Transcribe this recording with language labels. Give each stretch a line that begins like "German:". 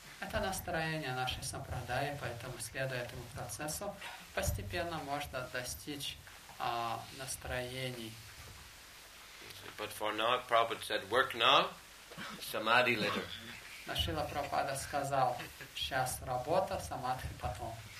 Russian: Это настроение нашей сампрадаи, поэтому, следуя этому процессу, постепенно можно достичь настроений.
English: But for now, Prabhupada said, work now, samadhi later.
Russian: Шрила Прабхупада сказал, сейчас работа, самадхи потом.